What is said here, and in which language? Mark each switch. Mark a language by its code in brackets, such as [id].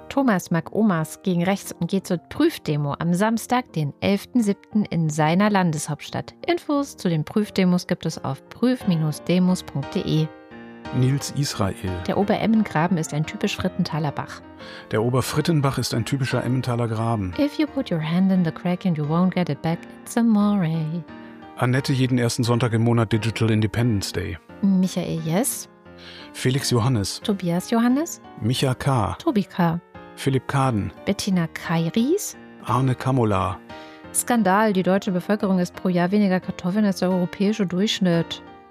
[de] Thomas mag Omas gegen rechts und geht zur Prüfdemo am Samstag, den 11.07. in seiner Landeshauptstadt. Infos zu den Prüfdemos gibt es auf prüf-demos.de. Nils Israel. Der Oberemmengraben ist ein typisch Frittenthaler Bach. Der Oberfrittenbach ist ein typischer Emmentaler Graben. [en] If you put your hand in the crack and you won't get it back, it's a moray. [de] Annette jeden ersten Sonntag im Monat Digital Independence Day. Michael Jess. Felix Johannes. Tobias Johannes. Micha K. Tobi K. Philipp Kaden. Bettina Kairis. Arne Kamola. Skandal, die deutsche Bevölkerung isst pro Jahr weniger Kartoffeln als der europäische Durchschnitt.